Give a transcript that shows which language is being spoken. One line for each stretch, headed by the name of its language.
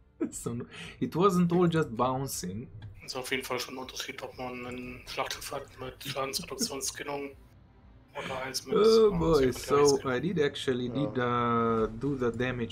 English: So, it wasn't all just bouncing.
German: Das ist auf jeden Fall schon ein Unterschied, ob man einen Schlachtschiff hat mit Schadensreduktionsskinnung.
English: Oh boy, so I did actually did do the damage.